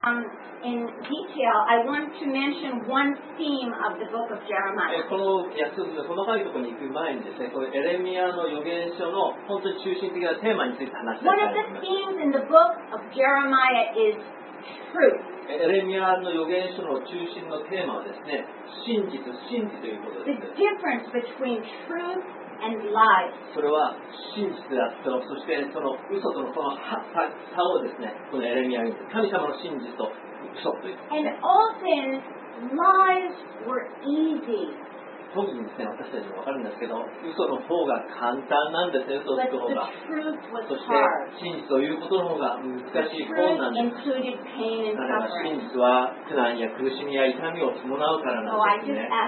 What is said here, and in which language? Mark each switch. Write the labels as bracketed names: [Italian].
[English] in detail, I want to mention one theme of the book of Jeremiah. One of the themes in the book of Jeremiah is truth. [Japanese] エレミアの預言書の中心のテーマはですね、真実、真実ということです。 [English] The difference between truth and lies. [Japanese] それは真実であって、そしてその嘘とのその差をですね、このエレミアに、神様の真実と嘘という。 [English] And often lies were easy. [Japanese] 特にですね、私たちも分かるんですけど、嘘の方が簡単なんですね、嘘つく方が。そして、真実ということの方が難しい、困難なんです。だから真実は苦難や苦しみや痛みを伴うからなんですね。